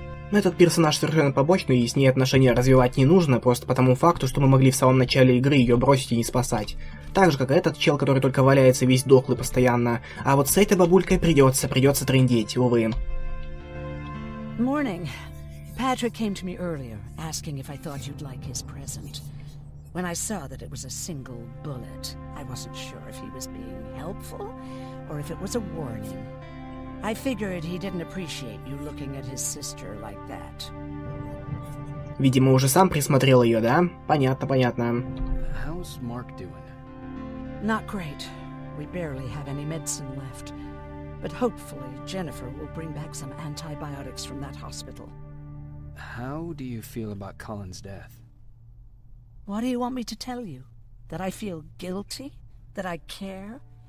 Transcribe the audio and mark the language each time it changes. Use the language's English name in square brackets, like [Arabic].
[Russian] Но этот персонаж совершенно побочный, и с ней отношения развивать не нужно, просто по тому факту, что мы могли в самом начале игры ее бросить и не спасать. Так же, как этот чел, который только валяется весь дохлый постоянно. А вот с этой бабулькой придется трындеть, увы. [English] Morning. Patrick came to me earlier, asking if I thought you'd like his present. When I saw that it was a single bullet, I wasn't sure if he was being helpful or if it was a warning. I figured he didn't appreciate you looking at his sister like that. [Russian] Видимо, уже сам присмотрел ее, да? Понятно, понятно. [English] How's Mark doing? Not great. We barely have any medicine left. But hopefully, Jennifer will bring back some antibiotics from that hospital. How do you feel about Colin's death? What do you want me to tell you? That I feel guilty? That I care?